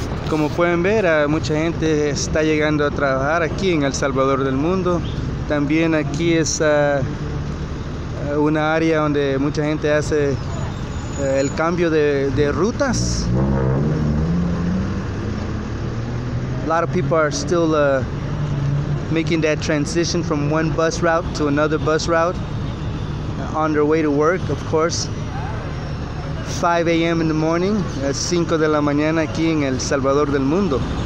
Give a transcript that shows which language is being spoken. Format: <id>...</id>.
<es>Como pueden ver, mucha gente está llegando a trabajar aquí en El Salvador del Mundo. También aquí es una área donde mucha gente hace el cambio de rutas.</es> <en>A lot of people are still making that transition from one bus route to another bus route on their way to work, of course. 5 a.m. in the morning,</en> <es>5 de la mañana aquí en El Salvador del Mundo.</es>